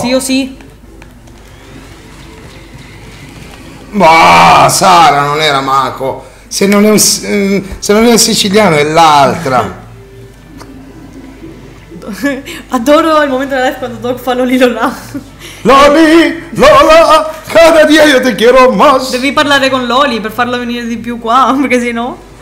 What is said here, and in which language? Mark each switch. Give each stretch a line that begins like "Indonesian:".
Italian: Sì o sì? Bah, Sara non era Marco. Se non è un siciliano è l'altra. Adoro il momento della live quando Doc fa Loli Lola.
Spanish: Loli Lola, cada día yo te quiero más.
Italian: Devi parlare con Loli per farlo venire di più qua, perché sennò...